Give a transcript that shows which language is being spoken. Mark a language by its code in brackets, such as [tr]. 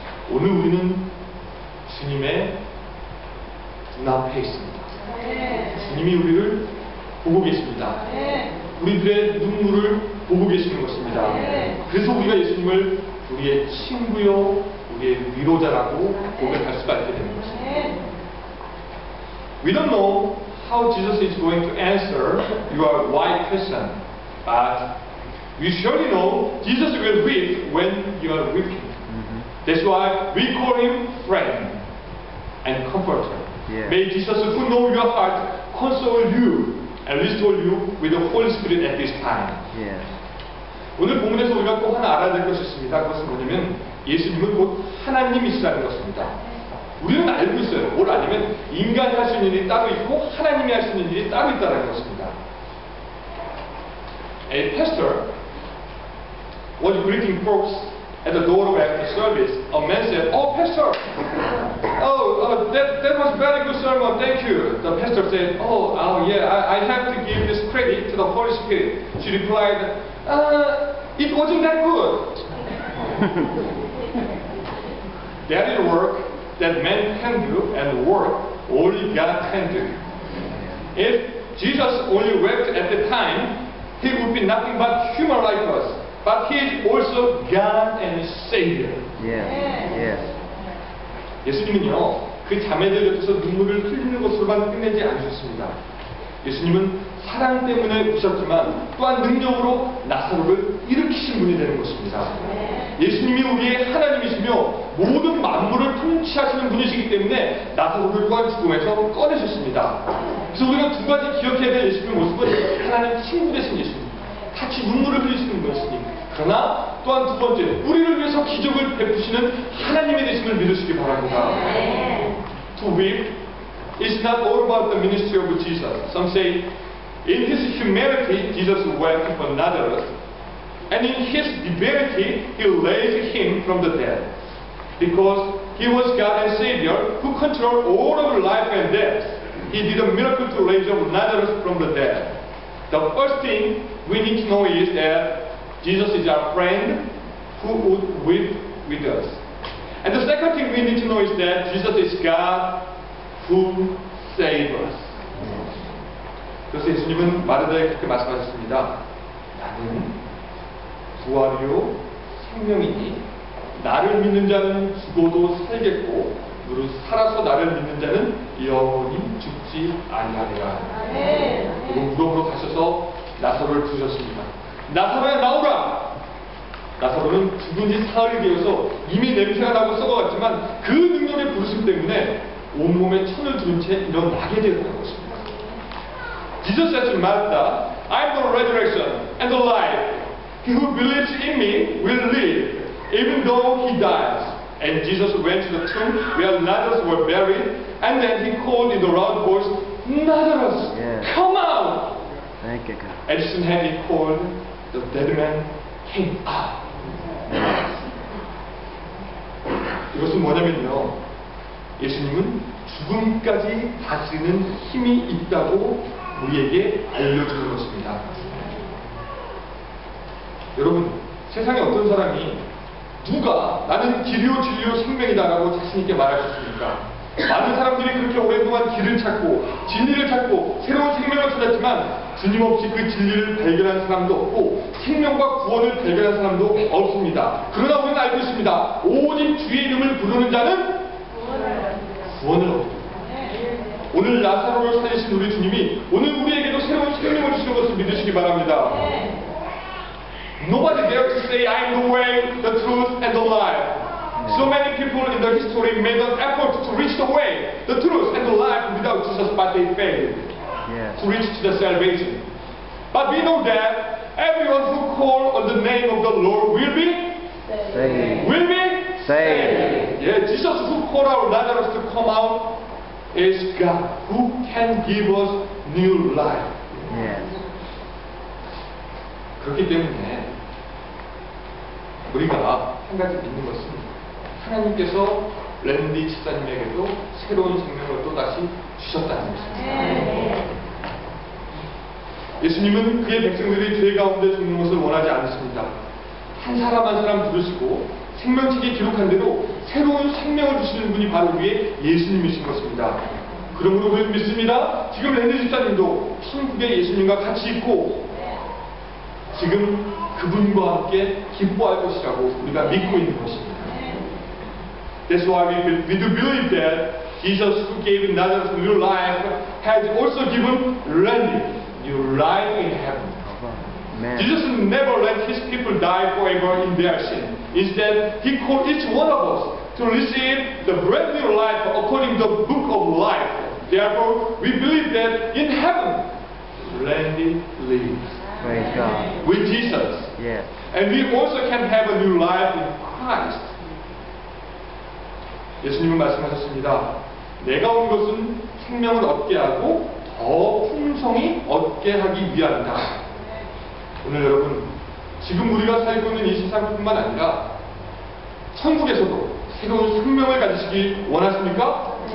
[ko] 오늘 우리는 주님의 눈앞에 있습니다. 주님이 우리를 보고 계십니다. 우리들의 눈물을 보고 계시는 것입니다. 그래서 우리가 예수님을 우리의 친구요, 우리의 위로자라고 고백할 수가 있게 되는 것입니다. [en] We don't know how Jesus is going to answer your why question, but we surely know Jesus will weep when you are weeping. That's why we call him friend and comforter. Yeah. May Jesus, who knows your heart, console you and restore you with the Holy Spirit at this time. Yeah. [ko] 오늘 본문에서 우리가 꼭 하나 알아야 될 것이 있습니다. 그것은 뭐냐면 예수님은 곧 하나님이시라는 것입니다. 우리는 알고 있어요. 뭘 아니면 인간이 할 수 있는 일이 따로 있고 하나님이 할 수 있는 일이 따로 있다는 것입니다. [en] A pastor was greeting folks at the door of the service. A man said, "Oh, pastor, that was very good sermon. Thank you." The pastor said, "I have to give this credit to the Holy Spirit." She replied, "It wasn't that good." That is work that men can do, and work only God can do. If Jesus only wept at the time, he would be nothing but human like us, but he is also God and Savior. Yes. Yes. [ko] 예수님은요, 그 자매들 옆에서 눈물을 흘리는 것으로만 끝내지 않으셨습니다. 예수님은 사랑 때문에 우셨지만 또한 능력으로 나사로를 일으키신 분이 되는 것입니다. 예수님이 우리의 하나님이시며 모든 만물을 통치하시는 분이시기 때문에 나사로를 또한 죽음에서 꺼내셨습니다. 그래서 우리가 두 가지 기억해야 될 예수님의 모습은 하나님 친구 되신 예수님, 같이 눈물을 흘리시는 예수님, 그러나 또한 두 번째, 우리를 위해서 기적을 베푸시는 하나님의 되심을 믿으시기 바랍니다. [en] To weep is not all about the ministry of Jesus. Some say, in his humanity, Jesus wept for Lazarus, and in his divinity, he raised him from the dead. Because he was God and Savior who controlled all of life and death, he did a miracle to raise up Lazarus from the dead. The first thing we need to know is that Jesus is our friend who would weep with us. And the second thing we need to know is that Jesus is God who saves us. [ko] 그래서 예수님은 마르다에게 그렇게 말씀하셨습니다. 나는 부활이요 생명이니 나를 믿는 자는 죽어도 살겠고 누구 살아서 나를 믿는 자는 영원히 죽지 아니하리라. 그리고 무덤으로 가셔서 나사로를 부르셨습니다. 나사로야 나오라! 나사로는 죽은 지 사흘이 되어서 이미 냄새가 나고 썩어갔지만 그 능력의 부르심 때문에 온몸에 천을 두른 채 일어나게 되었다는 것입니다. [en] Jesus said to Martha, "I am the resurrection and the life. He who believes in me will live, even though he dies." And Jesus went to the tomb where Lazarus was buried, and then he called in a loud voice, Lazarus, yes. come out! Thank you, God. As soon as he called, the dead man came out. Yes. [ko] 이것은 뭐냐면요. 예수님은 죽음까지 다스리는 힘이 있다고 우리에게 알려주는 것입니다. 여러분, 세상에 어떤 사람이 누가 나는 길이요 진리요 생명이다 라고 자신있게 말할 수 있습니까? 많은 사람들이 그렇게 오랫동안 길을 찾고 진리를 찾고 새로운 생명을 찾았지만 주님 없이 그 진리를 발견한 사람도 없고 생명과 구원을 발견한 사람도 없습니다. 그러나 우리는 알고 있습니다. 오직 주의 이름을 부르는 자는 구원을 얻습니다. 오늘 나사로를 살리신 우리 주님이 오늘 우리에게도 새로운 생명을 주시는 것을 믿으시기 바랍니다. [en] Nobody dare to say, I am the way, the truth, and the life. So many people in the history made an effort to reach the way, the truth, and the life without Jesus, but they failed to reach to the salvation. But we know that everyone who calls on the name of the Lord will be saved. Will be saved. Yeah, Jesus who called our Lazarus to come out is God who can give us new life. Yes. [ko] 그렇기 때문에 우리가 한 가지 믿는 것은 하나님께서 랜디 집사님에게도 새로운 생명을 또 다시 주셨다는 것입니다. 예수님은 그의 백성들이 죄 가운데 죽는 것을 원하지 않으십니다. 한 사람 한 사람 부르시고 생명책에 기록한 대로 새로운 생명을 주시는 분이 바로 우리의 예수님이신 것입니다. 그러므로 우리는 믿습니다. 지금 랜디 집사님도 천국에 예수님과 같이 있고 지금 그분과 함께 기뻐할 것이라고 우리가 믿고 있는 것입니다. [en] That's why we do believe that Jesus who gave another new life has also given Randy new life in heaven. Amen. Jesus never let his people die forever in their sin. Instead, he called each one of us to receive the brand new life according to the book of life. Therefore, we believe that in heaven, Randy lives. Praise God. With Jesus. Yes. And we also can have a new life in Christ. [ko] 예수님은 말씀하셨습니다. 내가 온 것은 생명을 얻게 하고 더 풍성히 얻게 하기 위함이다. 오늘 여러분, 지금 우리가 살고 있는 이 세상뿐만 아니라 천국에서도 새로운 생명을 가지시길 원하십니까?